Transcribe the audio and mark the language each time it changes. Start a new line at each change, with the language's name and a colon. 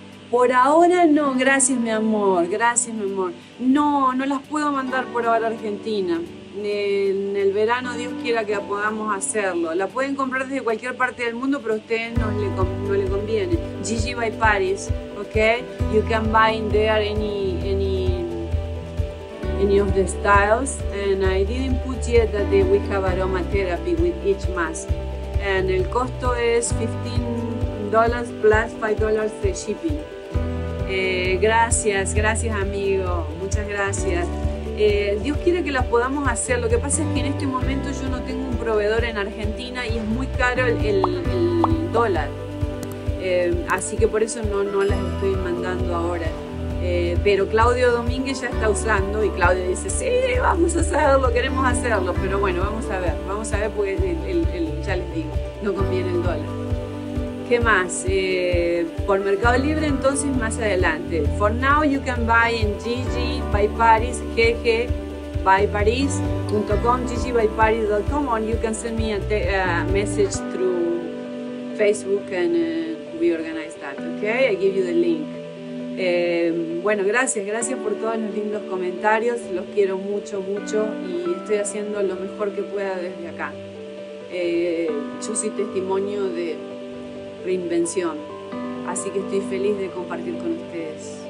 Spanish: Por ahora no, gracias mi amor, gracias mi amor. No, no las puedo mandar por ahora a Argentina. En el verano Dios quiera que podamos hacerlo. La pueden comprar desde cualquier parte del mundo, pero a ustedes no le conviene. GG by Paris, ok?
English: You can buy in there any of the styles. And I didn't put yet that we have aromatherapy with each mask.
Spanish: And el costo es $15 plus $5 de shipping. Gracias, gracias amigo, muchas gracias. Dios quiere que las podamos hacer, lo que pasa es que en este momento yo no tengo un proveedor en Argentina y es muy caro el dólar, así que por eso no las estoy mandando ahora. Pero Claudio Domínguez ya está usando y Claudio dice, sí, vamos a hacerlo, queremos hacerlo, pero bueno, vamos a ver porque el, ya les digo, no conviene el dólar. ¿Qué más? Por Mercado Libre entonces más adelante.
English: For now you can buy in GG by Paris, GG by Paris.com, GG by Paris.com, or you can send me a message through Facebook and we organize that, okay? I give you the link.
Spanish: Bueno, gracias, gracias por todos los lindos comentarios, los quiero mucho, mucho y estoy haciendo lo mejor que pueda desde acá. Yo soy testimonio de reinvención, así que estoy feliz de compartir con ustedes.